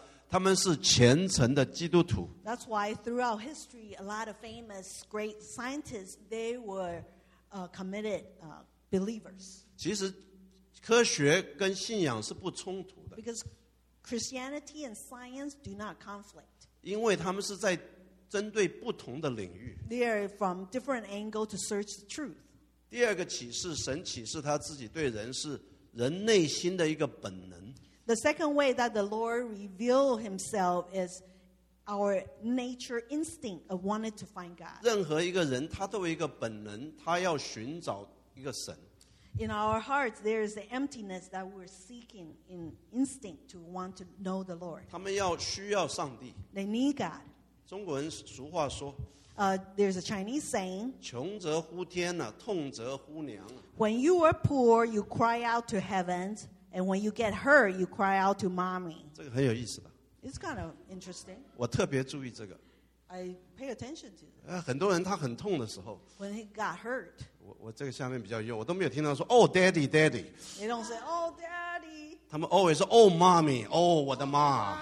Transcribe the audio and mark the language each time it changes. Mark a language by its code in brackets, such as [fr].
[zh] 这就是为什么世界上有很自古以来有很多有名的科学家，他们是虔诚的基督徒。 [en] That's why throughout history, a lot of famous great scientists, they were committed believers. [zh] 其实科学跟信仰是不冲突的。 [en] Because Christianity and science do not conflict. [zh] 因为他们是在针对不同的领域。 [en] They are from different angles to search the truth. [zh] 第二个启示，神启示他自己对人是。人内心的一个本能。 [en] The second way that the Lord revealed himself is our nature instinct of wanting to find God. [zh] 任何一个人他都有一个本能，他要寻找一个神。 [en] In our hearts, there is the emptiness that we're seeking in instinct to want to know the Lord. [zh] 他们需要上帝。 [en] They need God. [zh] 中国人俗话说。 [en] There's a Chinese saying, [zh] 穷则呼天啊, 痛则呼娘啊, [en] when you are poor, you cry out to heaven, and when you get hurt, you cry out to mommy. [zh] 这个很有意思的。 [en] It's kind of interesting. [zh] 我特别注意这个。 [en] I pay attention to it. [zh] 很多人他很痛的时候, [en] when he got hurt, [zh] 我这个下面比较幼, 我都没有听到说, [en] oh, daddy, daddy. They don't say, oh, daddy. [zh] 他们 [en] always say, oh, mommy, oh, [zh] 我的妈。